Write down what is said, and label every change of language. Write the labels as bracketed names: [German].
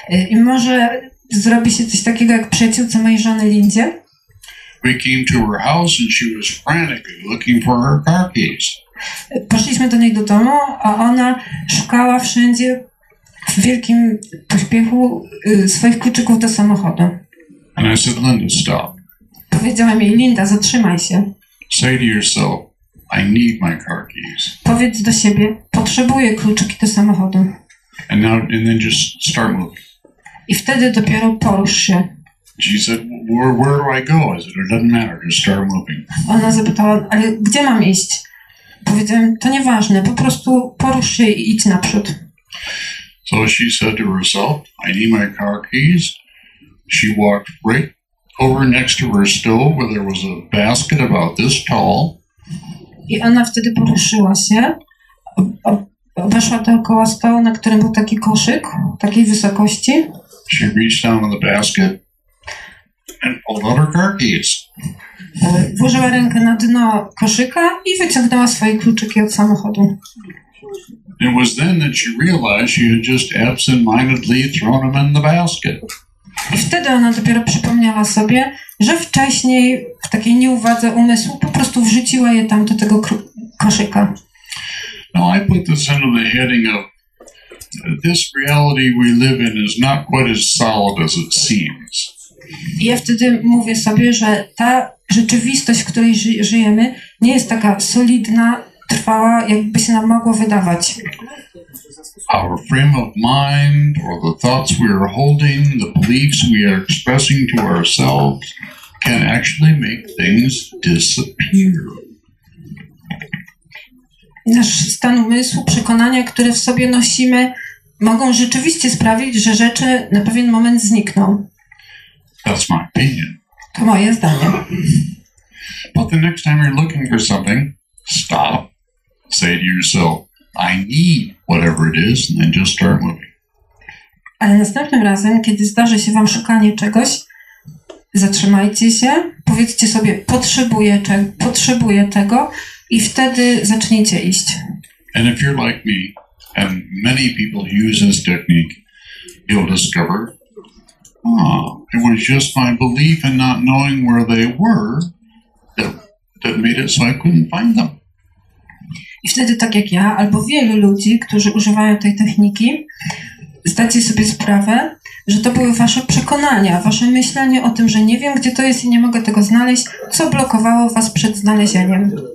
[Polish] I może zrobi się coś takiego jak przyjaciółce mojej żony Lindzie. [English] We came to her house and she was frantically looking for her car keys. [Polish] Poszliśmy do niej do domu, a ona szukała wszędzie w wielkim pośpiechu swoich kluczyków do samochodu. [English] And I said, Linda, stop. [Polish] Powiedziałem jej, Linda, zatrzymaj się. [English] Say to yourself, I need my car keys. [Polish] Powiedz do siebie, potrzebuję kluczyki do samochodu. [English] And now, and then just start moving. [Polish] I wtedy dopiero porusz się. [English] She said, where do I go? I said, it doesn't matter, just start moving. [Polish] Ona zapytała, ale gdzie mam iść? Powiedziałem, to nieważne, po prostu porusz się i idź naprzód. [English] So she said to herself, I need my car keys. She walked right over next to her stove where there was a basket about this tall. [Polish] I ona wtedy poruszyła się, weszła dookoła stołu, na którym był taki koszyk, takiej wysokości. [English] She reached down in the basket and pulled out her car keys. [Polish] Włożyła rękę na dno koszyka i wyciągnęła swoje kluczyki od samochodu. [English] It was then that she realized she had just absentmindedly thrown them in the basket. [Polish] I wtedy ona dopiero przypomniała sobie, że wcześniej w takiej nieuwadze umysłu po prostu wrzuciła je tam do tego koszyka. [English] Now I put this under the heading of this reality we live in is not quite as solid as it seems. [Polish] I ja wtedy mówię sobie, że ta rzeczywistość, w której żyjemy, nie jest taka solidna, trwała, jakby się nam mogło wydawać. [English] Our frame of mind, or the thoughts we are holding, the beliefs we are expressing to ourselves, can actually make things disappear. [Polish] Nasz stan umysłu, przekonania, które w sobie nosimy, mogą rzeczywiście sprawić, że rzeczy na pewien moment znikną. [English] That's my opinion. [Polish] To moje zdanie. [English] But the next time you're looking for something, stop. Say to yourself, I need whatever it is, and then just start moving. [Polish] Ale następnym razem, kiedy zdarzy się wam szukanie czegoś, zatrzymajcie się, powiedzcie sobie, potrzebuję tego i wtedy zaczniecie iść. [English] And if you're like me, and many people use this technique, you'll discover, it was just my belief and not knowing where they were that made it so I couldn't find them. [Polish] I wtedy tak jak ja, albo wielu ludzi, którzy używają tej techniki, zdacie sobie sprawę, że to były wasze przekonania, wasze myślenie o tym, że nie wiem, gdzie to jest i nie mogę tego znaleźć, co blokowało was przed znalezieniem.